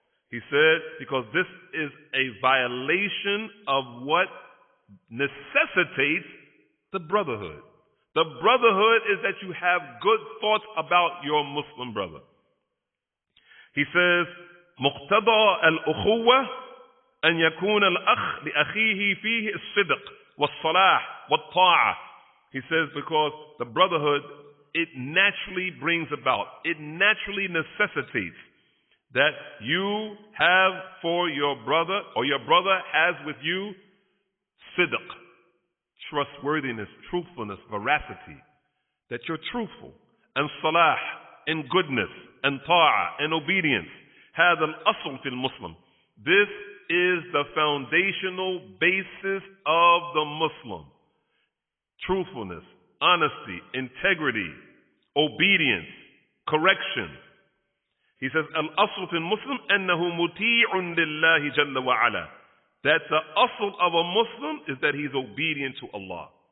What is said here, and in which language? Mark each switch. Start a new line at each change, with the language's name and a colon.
English: He said, because this is a violation of what necessitates the brotherhood. The brotherhood is that you have good thoughts about your Muslim brother. He says,
Arabic: مقتضى الأخوة أن يكون الأخ لأخيه فيه الصدق والصلاح والطاعة.
English: He says, because the brotherhood, it naturally brings about, it naturally necessitates that you have for your brother, or your brother has with you, siddiq, trustworthiness, truthfulness, veracity, that you're truthful, and salah, and goodness, and ta'ah, and obedience, has an asl fil Muslim. This is the foundational basis of the Muslim. Truthfulness, honesty, integrity, obedience, correction. He says,
Arabic: الأصل في المسلم أنه مطيع لله جل وعلا.
English: That the أصل of a Muslim is that he's obedient to Allah.